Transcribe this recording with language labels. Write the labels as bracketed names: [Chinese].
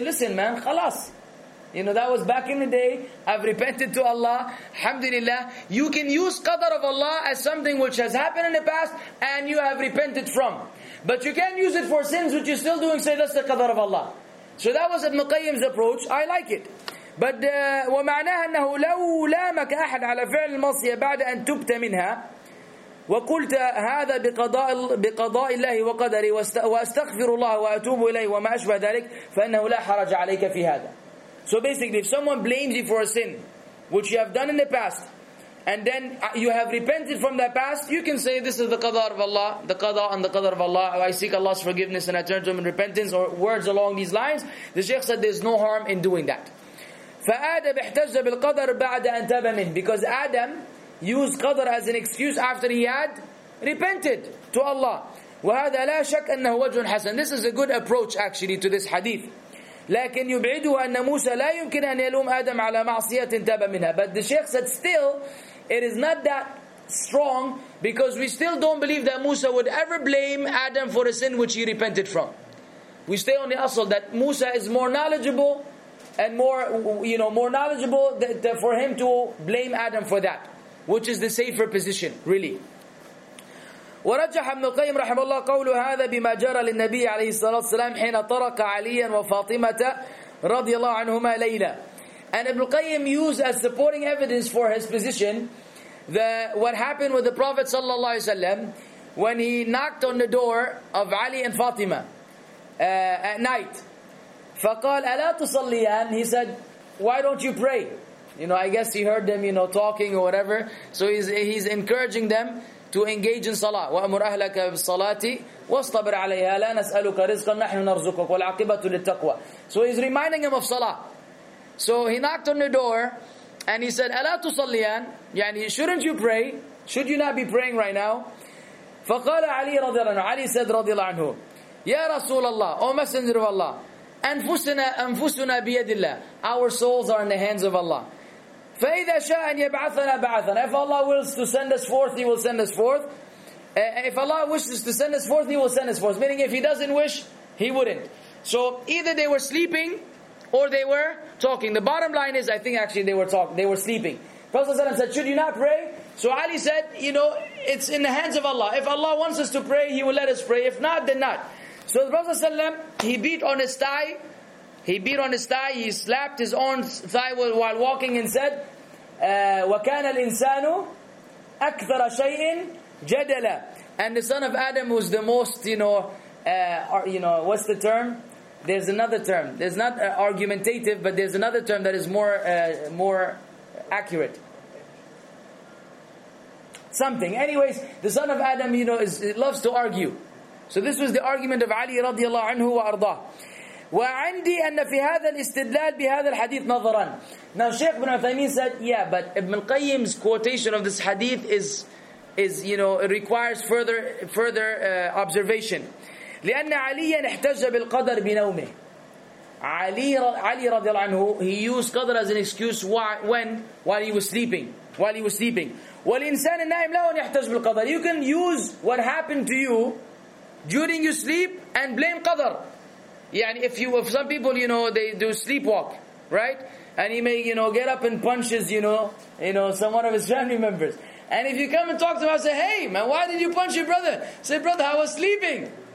[English] Say, listen man, khalas. That was back in the day. I've repented to Allah. Alhamdulillah. You can use qadr of Allah as something which has happened in the past and you have repented from. But you can't use it for sins which you're still doing. Say, that's the qadr of Allah. So that was Ibn Qayyim's approach. I like it. But [Arabic] ومعناها أنه لو لامك أحد على فعل المعصية بعد أن تبت منها وقلت هذا بقضاء الله وقدري وأستغفر الله وأتوب إليه وما أشبه ذلك فإنه لا حرج عليك في هذا. [English] So basically, if someone blames you for a sin which you have done in the past, and then you have repented from that past, you can say this is the qadar of Allah, the qadar and the qadar of Allah. I seek Allah's forgiveness and I turn to Him in repentance, or words along these lines. The Shaykh said there's no harm in doing that. [Arabic] فَآدَمْ احْتَجَّ بِالْقَدَرِ بَعْدَ أَنْ تَبَ مِنْ. [English] Because Adam used qadar as an excuse after he had repented to Allah. [Arabic] وَهَذَا لَا شَكْ أَنَّهُ وَجْهٌ حَسَنٌ. [English] This is a good approach actually to this hadith. [Arabic] لكن يبعده أن موسى لا يمكن أن يلوم آدم على معصية تاب منها. [English] But the Shaykh said still, it is not that strong because we still don't believe that Musa would ever blame Adam for a sin which he repented from. We stay on the asal that Musa is more knowledgeable and more knowledgeable for him to blame Adam for that, which is the safer position, really. [Arabic] ورجح ابن القيم رحمه الله قول هذا بما جرى للنبي عليه الصلاة والسلام حين ترك عليا وفاطمة رضي الله عنهما ليلى. [English] And Ibn Qayyim used as supporting evidence for his position the what happened with the Prophet sallallahu alaihi wasallam when he knocked on the door of Ali and Fatima at night. [Arabic] فقال ألا تصليان, [English] he said, why don't you pray? You know, I guess he heard them, you know, talking or whatever. So he's encouraging them to engage in salah. [Arabic] وأمر أهلك بالصلاة واصطبر عليها لا نسألك رزقا نحن نرزقك والعاقبة للتقوى. [English] So he's reminding him of salah. So he knocked on the door and he said, [Arabic] ألا تصليان, يعني [English] shouldn't you pray? Should you not be praying right now? [Arabic] فقال علي رضي الله عنه, علي [English] said [Arabic] رضي الله عنه, يا رسول الله, [English] O Messenger of Allah, [Arabic] أنفسنا بيد الله, [English] our souls are in the hands of Allah. [Arabic] فإذا شاء أن يبعثنا بعثنا, [English] if Allah wills to send us forth, He will send us forth. If Allah wishes to send us forth, He will send us forth. Meaning if He doesn't wish, He wouldn't. So either they were sleeping or they were talking. The bottom line is, I think actually they were sleeping. Prophet ﷺ said, should you not pray? So Ali said, you know, it's in the hands of Allah. If Allah wants us to pray, He will let us pray. If not, then not. So the Prophet ﷺ, he beat on his thigh, he slapped his own thigh while walking and said, [Arabic] وَكَانَ الْإِنسَانُ أَكْثَرَ شَيْءٍ جَدَلًا. [English] And the son of Adam was the most, what's the term? There's another term. There's not argumentative, but there's another term that is more accurate. Something. Anyways, the son of Adam, you know, loves to argue. So this was the argument of Ali radiallahu anhu wa ardah. [Arabic] وعندي أن في هذا الاستدلال بهذا الحديث نظرا. [English] Now Shaykh Ibn Uthaymeen said, yeah, but Ibn Qayyim's quotation of this hadith requires further observation. [Arabic] لأن عليا احتج بالقدر بنومه. [English] Ali رضي الله عنه, he used قدر as an excuse while he was sleeping. والإنسان النائم لا يحتج بالقدر. You can use what happened to you during your sleep and blame قدر. Yeah, if some people, you know, they do sleepwalk, right? And he may, you know, get up and punches, you know, some one of his family members. And if you come and talk to him, I say, hey, man, why did you punch your brother? Say, brother, I was sleeping.